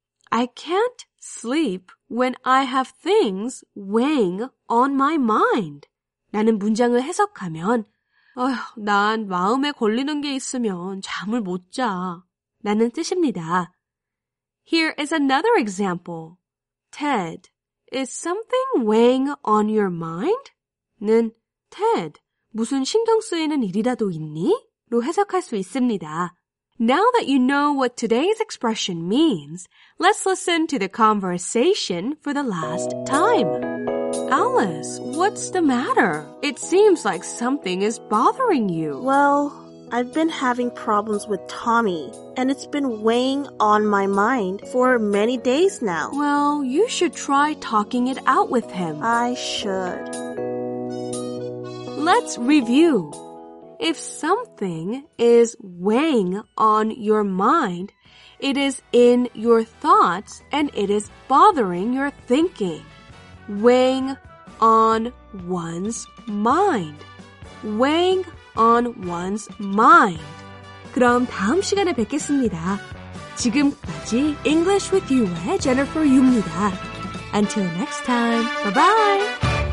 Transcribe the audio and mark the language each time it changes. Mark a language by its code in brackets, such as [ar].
[en] I can't sleep when I have things weighing on my mind. [ko] 라는 문장을 해석하면 난 마음에 걸리는 게 있으면 잠을 못 자. 라는 뜻입니다. [en] Here is another example. Ted, is something weighing on your mind? [ko] 는 Ted, 무슨 신경 쓰이는 일이라도 있니? 로 해석할 수 있습니다. [en] Now that you know what today's expression means, let's listen to the conversation for the last time. Alice, what's the matter? It seems like something is bothering you. Well, I've been having problems with Tommy, and it's been weighing on my mind for many days now. Well, you should try talking it out with him. I should. Let's review. If something is weighing on your mind, it is in your thoughts and it is bothering your thinking. Weighing on one's mind. Weighing on one's mind. [ko] 그럼 다음 시간에 뵙겠습니다. 지금까지 English with You의 Jennifer Yu입니다. [en] Until next time, bye-bye!